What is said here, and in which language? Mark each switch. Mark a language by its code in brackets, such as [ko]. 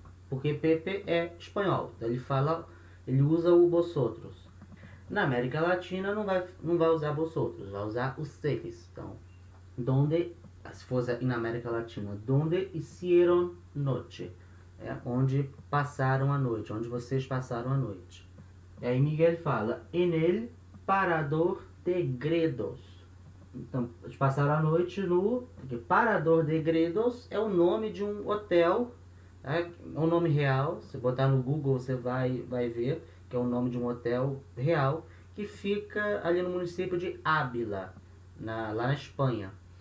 [pt] Porque Pepe é espanhol, então ele fala, ele usa o vosotros. Na América Latina não vai usar vosotros, vai usar os seres. Então, donde, se fosse na América Latina, [es] donde hicieron noche? [pt] É onde passaram a noite, onde vocês passaram a noite. E aí Miguel fala, [es] en el parador de Gredos. [pt] Então, eles passaram a noite no, porque parador de Gredos é o nome de um hotel. É um nome real. Se botar no Google, você vai ver que é o nome de um hotel real que fica ali no município de Ávila, lá na Espanha.